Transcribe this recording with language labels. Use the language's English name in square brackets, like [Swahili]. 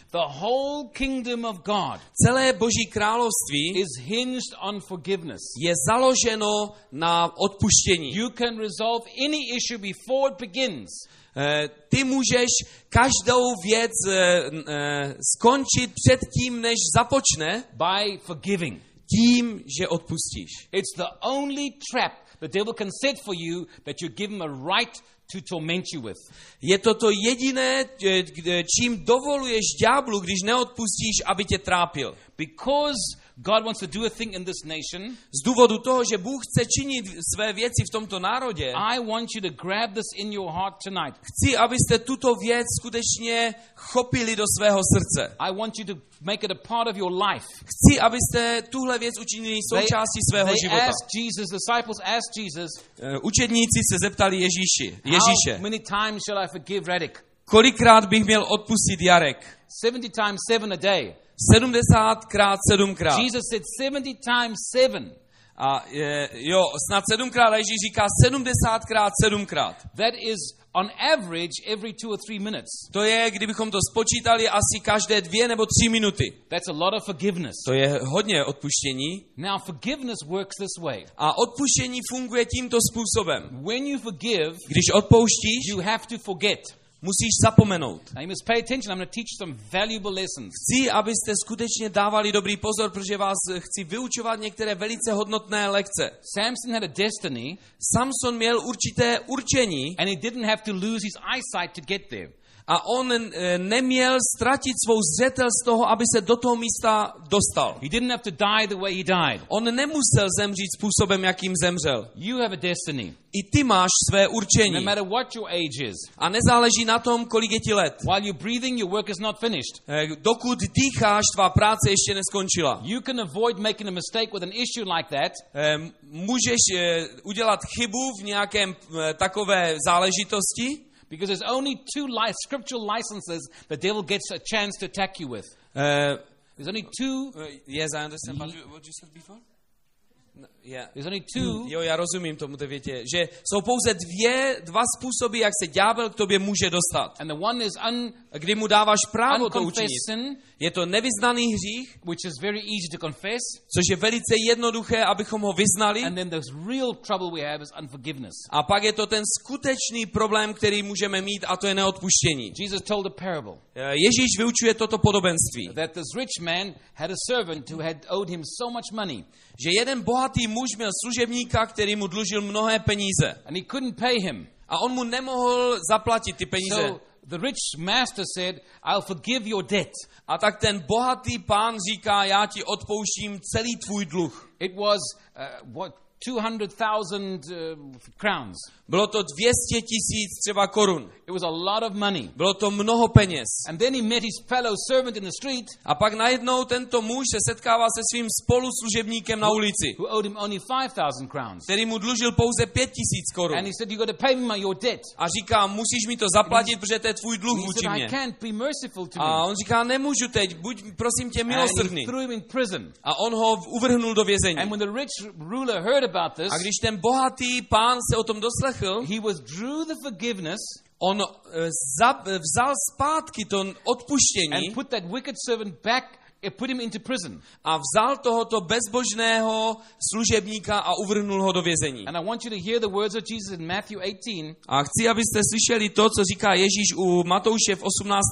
[English] The whole kingdom of God. [Czech] Celé Boží království [English] is hinged on forgiveness. [Czech] Je založeno na odpuštění. [English] You can resolve any issue before it begins. [Czech] Ty můžeš každou věc skončit před tím, než započne. [English] By forgiving. [Czech] Tím, že odpustíš. [English] It's the only trap the devil can set for you that you give him a right to torment you with. [Czech] Je to to jediné, čím dovoluješ ďáblu, když neodpustíš, aby tě trápil. [English] Because God wants to do a thing in this nation. [Czech] Z důvodu toho, že Bůh chce činit své věci v tomto národě. [English] I want you to grab this in your heart tonight. [Czech] Chci, abyste tuto věc skutečně chopili do svého srdce. [English] I want you to make it a part of your life. [Czech] Chci, abyste tuhle věc učinili součástí svého života. [English] They asked Jesus, disciples asked Jesus. [Czech] Učedníci se zeptali Ježíše. [English] How many times shall I forgive Radek? [Czech] Kolikrát bych měl odpustit Jarek? [English] 70 times 7 a day. [Czech] 70 x 7krát. [English] Jesus said 70 times 7. [Czech] A je, jo, snad 7krát, a Ježíš říká 70 x 7krát. [English] That is on average every 2 or 3 minutes. [Czech] To je, kdybychom to spočítali, asi každé 2 nebo 3 minuty. [English] That's a lot of forgiveness. [Czech] To je hodně odpuštění. [English] Now forgiveness works this way. [Czech] A odpuštění funguje tímto způsobem. [English] When you forgive, [Czech] když odpouštíš, [English] you have to forget. [Czech] Musíš zapomenout. [English] Now you must pay attention. I'm going to teach some valuable lessons. [Czech] Chci, abyste skutečně dávali dobrý pozor, protože vás chci vyučovat některé velice hodnotné lekce. [English] Samson had a destiny. [Czech] Samson měl určité určení. [English] And he didn't have to lose his eyesight to get there. [Czech] A on neměl ztratit svou zřetel z toho, aby se do toho místa dostal. [English] He didn't have to die the way he died. [Czech] On nemusel zemřít způsobem, jakým zemřel. [English] You have a destiny. [Czech] I ty máš své určení. [English] No matter what your age is. [Czech] A nezáleží na tom, kolik je ti let. [English] While you're breathing, your work is not finished. [Czech] Dokud dýcháš, tvá práce ještě neskončila. [English] You can avoid making a mistake with an issue like that. [Czech] Můžeš udělat chybu v nějakém takové záležitosti. [English] Because there's only two scriptural licenses the devil gets a chance to attack you with. There's only two. Yes, I understand. But what you said before? Yeah. There's only two. [Czech] Jo, já rozumím tomu, to větě, že jsou pouze dva způsoby, jak se ďábel k tobě může dostat. [English] And the one is [Czech] kdy mu dáváš právo to učinit. [English] Sin, [Czech] je to nevyznaný hřích, [English] which is very easy to confess, [Czech] což je velice jednoduché, abychom ho vyznali. [English] And then there's real trouble we have is unforgiveness. [Czech] A pak je to ten skutečný problém, který můžeme mít, a to je neodpuštění. [English] Jesus told a parable. [Czech] Ježíš vyučuje toto podobenství. [English] That this rich man had a servant who had owed him so much money. [Czech] Že jeden bohatý muž měl služebníka, který mu dlužil mnohé peníze. [English] And he couldn't pay him. [Czech] A on mu nemohl zaplatit ty peníze. [English] So the rich master said, I'll forgive your debt. [Czech] A tak ten bohatý pán říká, já ti odpouštím celý tvůj dluh. [English] It was what 200,000 crowns. [Czech] Bylo to 200 tisíc třeba korun. [English] It was a lot of money. [Czech] Bylo to mnoho peněz. [English] And then he met his fellow servant in the street. [Czech] A pak najednou tento muž se setkává se svým spoluslužebníkem na ulici. [English] Who owed him only 5,000 crowns. [Czech] Který mu dlužil pouze 5,000 korun. [English] And he said, "You got to pay me your debt." [Czech] A říká, musíš mi to zaplatit, protože to je tvůj dluh vůči mě. [English] I can't be merciful to you. [Czech] A on říká, nemůžu teď, buď prosím tě milosrdný. [English] And he threw him in prison. [Czech] A on ho uvrhnul do vězení. [English] And when the rich ruler heard about this, [Czech] a když ten bohatý pán se o tom doslechl, [English] he withdrew the forgiveness. [Czech] On vzal zpátky to odpuštění [English] and put that wicked servant back and put him into prison. [Czech] A vzal tohoto bezbožného služebníka a uvrhnul ho do vězení. [English] And I want you to hear the words of Jesus in Matthew 18. [Czech] A chci, abyste slyšeli to, co říká Ježíš u Matouše v 18.